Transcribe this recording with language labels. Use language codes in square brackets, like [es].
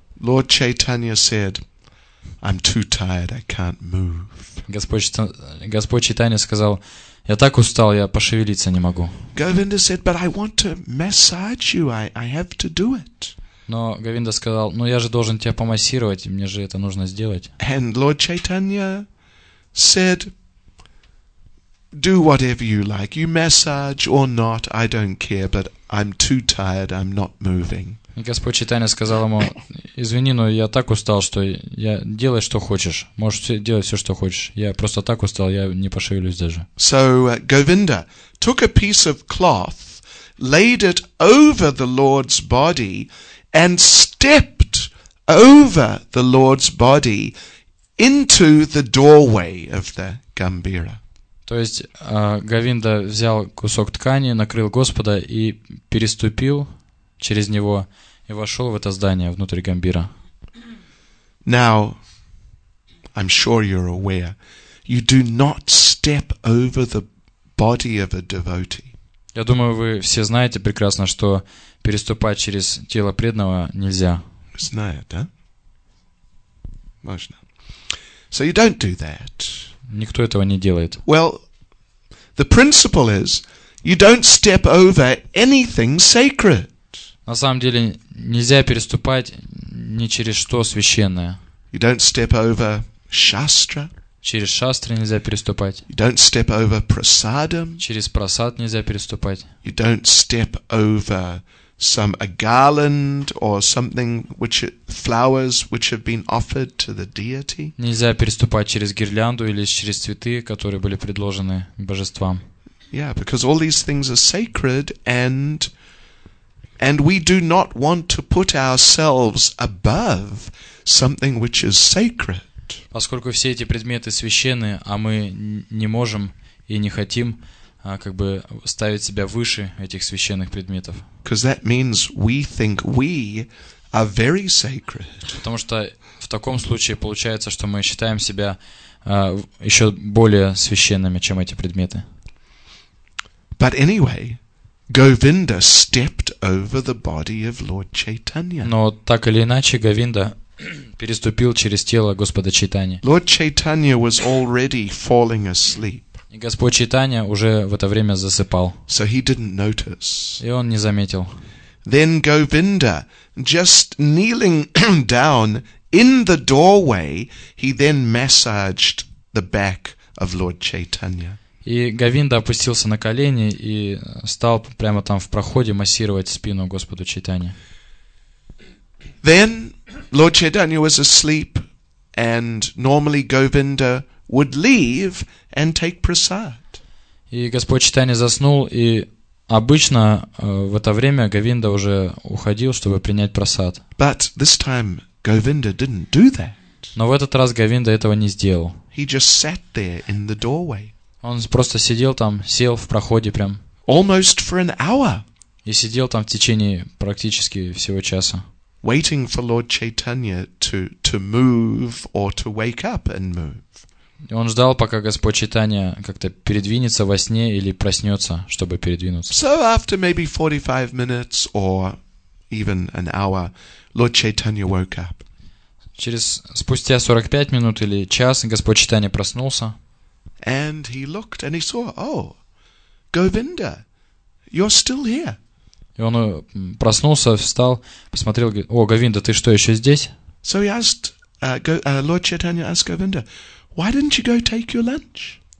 [en] Lord Chaitanya said, I'm too tired, I can't move. [ru] Господь Чайтанья сказал, я так устал, я пошевелиться не могу. [en] Говинда said, but I want to massage you, I have to do it. [ru] Но Говинда сказал, я же должен тебя помассировать, мне же это нужно сделать. [en] And Lord Chaitanya said, do whatever you like. You massage or not, I don't care, but I'm too tired, I'm not moving. [ru] Господь Чайтанья сказал ему, извини, но я так устал, что я делай, что хочешь. Можешь делать все, что хочешь. Я просто так устал, я не пошевелюсь даже. [en] So Govinda took a piece of cloth, laid it over the Lord's body, and stepped over the Lord's body into the doorway of the Gambira. [ru] То есть Говинда взял кусок ткани, накрыл Господа и переступил через него и вошел в это здание внутрь Гамбира. [en] Now, I'm sure you're aware, you do not step over the body of a devotee. [ru] Я думаю, вы все знаете прекрасно, что переступать через тело преданного нельзя. Знаю, да? Можно. [en] So you don't do that. [ru] Никто этого не делает. [en] Well, the principle is, you don't step over anything sacred. [ru] На самом деле нельзя переступать ни через что священное. [en] You don't step over shastra. [ru] Через шастры нельзя переступать. [en] You don't step over prasadam. [ru] Через прасад нельзя переступать. [en] You don't step over a garland or something flowers which have been offered to the deity. [ru] Нельзя переступать через гирлянду или через цветы, которые были предложены божествам. [en] Yeah, because all these things are sacred and we do not want to put ourselves above something which is sacred. [ru] Поскольку все эти предметы священны, а мы не можем и не хотим ставить себя выше этих священных предметов. [en] Because that means we think we are very sacred. [ru] Потому что в таком случае получается, что мы считаем себя еще более священными, чем эти предметы. [en] But anyway, Govinda stepped over the body of Lord Chaitanya. [ru] Но так или иначе, Говинда переступил через тело Господа Чайтаньи. [en] Lord Chaitanya was already falling asleep. [ru] И Господь Чайтанья уже в это время засыпал. [en] So he didn't notice. [ru] И он не заметил. [en] Then Govinda, just kneeling down in the doorway, he then massaged the back of Lord Chaitanya. [ru] И Говинда опустился на колени и стал прямо там в проходе массировать спину Господу Чайтанье. [en] Then Lord Chaitanya was asleep, and normally Govinda would leave and take prasad. [ru] И Господь Чайтанья заснул, и обычно в это время Говинда уже уходил, чтобы принять прасад. [en] But this time Govinda didn't do that. [ru] Но в этот раз Говинда этого не сделал. [en] He just sat there in the doorway. [ru] Он просто сидел там, сел в проходе прям. [en] Almost for an hour. [ru] И сидел там в течение практически всего часа. [en] Waiting for Lord Chaitanya to move or to wake up and move. [ru] Он ждал, пока Господь Чайтанья как-то передвинется во сне или проснется, чтобы передвинуться. [en] So after maybe 45 minutes or even an hour, Lord Chaitanya woke up. [ru] Через спустя 45 минут или час Господь Чайтанья проснулся. [en] And he looked and he saw, oh, Govinda, you're still here. [ru] И он проснулся, встал, посмотрел, говорит, о, Говинда, ты что, еще здесь? [en] So he asked, Lord Chaitanya asked Govinda, why didn't you go take your lunch?